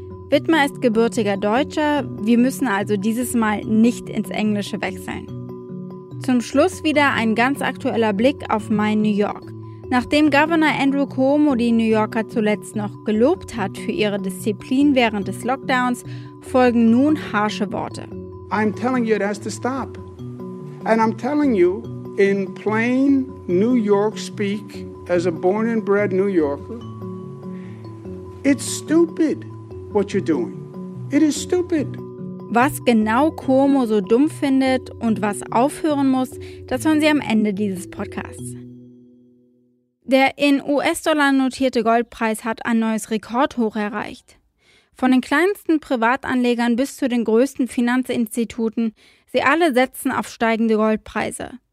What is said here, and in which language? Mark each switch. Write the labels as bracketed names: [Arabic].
[German] Widmer ist gebürtiger Deutscher, wir müssen also dieses Mal nicht ins Englische wechseln. Zum Schluss wieder ein ganz aktueller Blick auf mein New York. Nachdem Governor Andrew Cuomo die New Yorker zuletzt noch gelobt hat für ihre Disziplin während des Lockdowns, folgen nun harsche Worte. [English] I'm telling you, it has to stop. And I'm telling you, in plain New York speak, as a born and bred New Yorker, it's stupid what you're doing. It is stupid. [German] Was genau Cuomo so dumm findet und was aufhören muss, das hören Sie am Ende dieses Podcasts. Der in US-Dollar notierte Goldpreis hat ein neues Rekordhoch erreicht. Von den kleinsten Privatanlegern bis zu den größten Finanzinstituten, sie alle setzen auf steigende Goldpreise.